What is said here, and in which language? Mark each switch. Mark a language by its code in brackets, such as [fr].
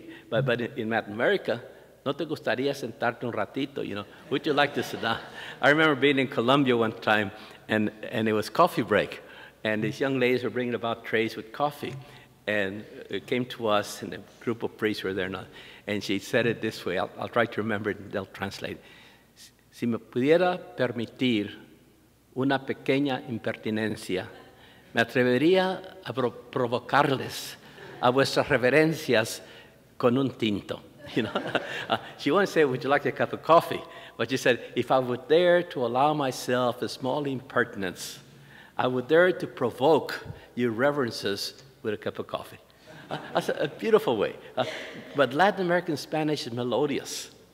[en] But in Latin America, [es] no te gustaría sentarte un ratito, [en] you know, would you like to sit down? I remember being in Colombia one time, and it was coffee break, and these young ladies were bringing about trays with coffee. And it came to us, and a group of priests were there. And she said it this way. I'll try to remember it, and they'll translate. [es] Si me pudiera permitir una pequeña impertinencia, me atrevería a provocarles a vuestras reverencias con un tinto. [en] You know, she wouldn't say, "Would you like a cup of coffee?" But she said, "If I would dare to allow myself a small impertinence, I would dare to provoke your reverences with a cup of coffee." That's a beautiful way. But Latin American Spanish is melodious.